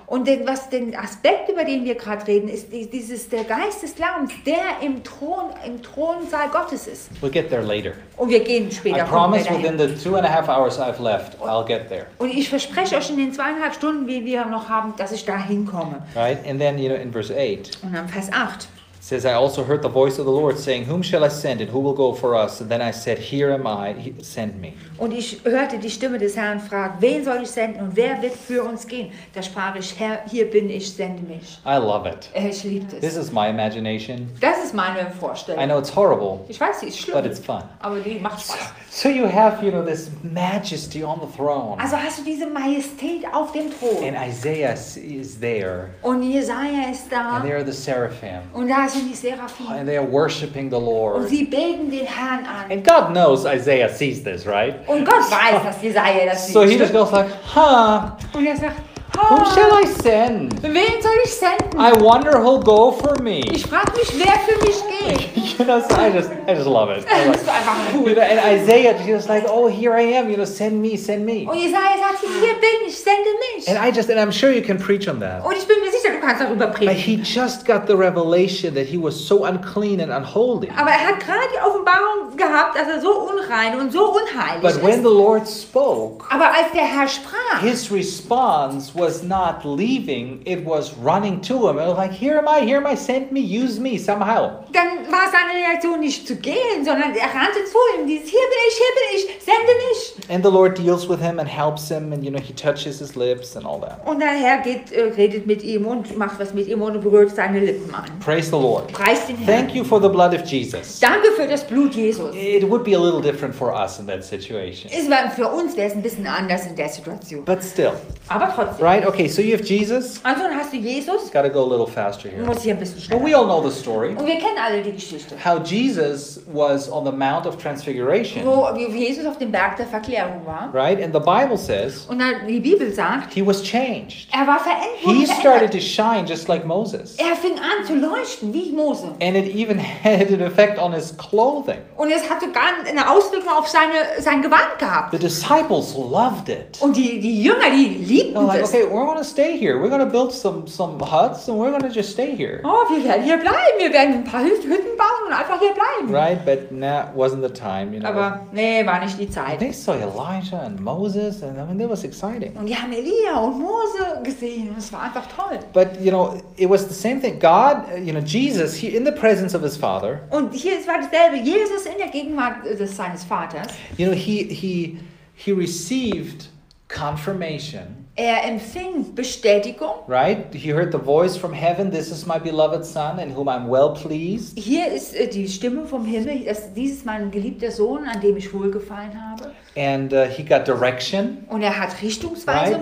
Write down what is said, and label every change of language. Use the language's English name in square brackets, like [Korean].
[German] Und den Aspekt, über den wir gerade reden, ist dieses der Geist des Glaubens, der im Thronsaal Gottes ist. [English] We'll get there later. [German] Und wir gehen später. [English] I promise within the 2.5 hours I've left, I'll get there. [German] Und ich verspreche euch in den 2.5 Stunden, wie wir noch haben, dass ich da hinkomme. [English] Right, and then you know in verse 8. [German] Und dann Vers 8. [English] Says, I also heard the voice of the Lord saying, Whom shall I send and who will go for us? And then I said, Here am I, send me. [German] Und ich hörte die Stimme des Herrn fragen, Wen soll ich senden und wer wird für uns gehen? Da sprach ich, Herr, hier bin ich, sende mich. [English] I love it. [German] Ich liebe es. [English] This is my imagination. [German] Das ist meine Vorstellung. [English] I know it's horrible. [German] Ich weiß, sie ist schlimm. [English] But it's fun. [German] Aber die macht Spaß. [English] So you have, you know, this majesty on the throne. [German] Also hast du diese Majestät auf dem Thron. [English] And Isaiah is there. [German] Und Jesaja ist da. [English] And they are the seraphim. [German] Und da sind die Seraphim. [English] And they are worshiping the Lord. [German] Und sie beten den Herrn an. [English] And God knows Isaiah sees this, right? [German] Und Gott weiß, dass Jesaja das sieht. [English] So he just goes like, huh? [German] Und er sagt, [English] Whom shall I send? [German] Wen soll ich senden? [English] I wonder who'll go for me. [German] Ich frage mich, wer für mich geht. [English] You know, so I just love it. Like, and Isaiah, she's like, oh, here I am. You know, send me, send me. [German] Und Isaiah sagt, hier bin ich, sende mich. [English] And I just, and I'm sure you can preach on that. [German] Und ich bin mir sicher, du kannst darüber predigen. [English] But he just got the revelation that he was so unclean and unholy. [German] Aber er hat gerade die Offenbarung gehabt, dass er so unrein und so unheilig ist. [English] But when the Lord spoke, [German] aber als der Herr sprach, [English] his response was not leaving, it was running to him. It was like, here am I, send me, use me somehow. [German] Dann war seine Reaktion nicht zu gehen, sondern er rannte zu ihm, dieses, hier bin ich, sende mich. [English] And the Lord deals with him and helps him, and you know, he touches his lips and all that. [German] Und der Herr redet mit ihm und macht was mit ihm und berührt seine Lippen an. [English] Praise the Lord. [German] Preist den Herrn. [English] Thank you for the blood of Jesus. [German] Danke für das Blut Jesus. [English] It would be a little different for us in that situation. [German] Es war für uns, wäre es ein bisschen anders in der Situation. [English] But still. [German] Aber trotzdem. [English] Right? Okay, so you have Jesus. [German] Also, dann hast du Jesus. [English] Got to go a little faster here. [German] Muss hier ein bisschen schneller. [English] But we all know the story. [German] Und wir kennen alle die Geschichte. [English] How Jesus was on the Mount of Transfiguration. [German] Wo Jesus auf dem Berg der Verklärung war. [English] Right? And the Bible says. [German] Und dann die Bibel sagt. [English] He was changed. [German] Er war verändert. [English] He started to shine just like Moses. [German] Er fing an zu leuchten wie Moses. [English] And it even had an effect on his clothing. [German] Und es hatte gar eine Auswirkung auf sein Gewand gehabt. [English] The disciples loved it. [German] Und die Jünger, die liebten es. [English] okay, we're going to stay here. We're going to build some huts and we're going to just stay here. [German] Oh, wir werden hier bleiben. Wir werden ein paar Hütten bauen und einfach hier bleiben. [English] Right, but that wasn't the time, you know. [German] Aber nee, war nicht die Zeit. [English] They saw Elijah and Moses and I mean, that was exciting. [German] Und die haben Elia und Mose gesehen. Das war einfach toll. [English] But, you know, it was the same thing. God, you know, Jesus, he, in the presence of his Father. [German] Und hier es war dasselbe. Jesus in der Gegenwart des seines Vaters. [English] You know, he received confirmation. [German] Er empfing Bestätigung. [English] Right? He heard the voice from heaven, this is my beloved son in whom I'm well pleased. [German] Hier ist die Stimme vom Himmel, dies ist mein geliebter Sohn, an dem ich wohlgefallen habe. [English] And he got direction. [German] Und er hat Richtungsweisung